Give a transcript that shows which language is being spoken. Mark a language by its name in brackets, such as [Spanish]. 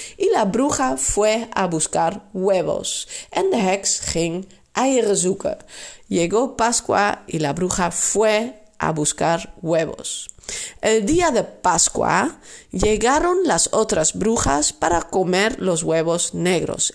[Spanish] Y la bruja fue a buscar huevos. [Dutch] En de heks ging eieren zoeken. [Spanish] Llegó Pascua y la bruja fue a buscar huevos. El día de Pascua llegaron las otras brujas para comer los huevos negros.